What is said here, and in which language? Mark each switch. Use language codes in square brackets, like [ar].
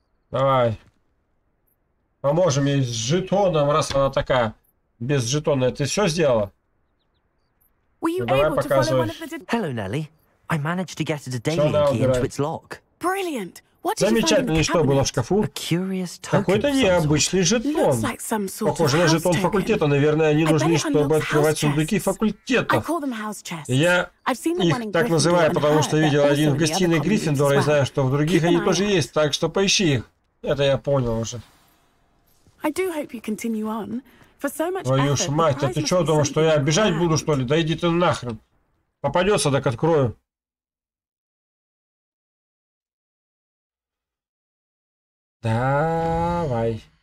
[ru] Давай. Поможем ей с жетоном, раз она такая без жетона. Ты все сделала? [en] Were you able to follow one of the? Hello, Nelly. I managed to get a Dedalian key into its lock. Brilliant. What did you find in the cabinet? A curious token. [ru] Какой-то необычный жетон. Похоже на жетон факультета. Наверное, они нужны, чтобы открывать сундуки факультета. Я их так называю, потому что видел один в гостиной Гриффиндора и знаю, что в других они тоже есть. Так что поищи их. Это я понял уже. [en] I do hope you continue on. [ru] Твою ж мать, а ты чё думаешь, что я бежать буду, что ли? Да иди ты нахрен. Попадется, так открою. Давай.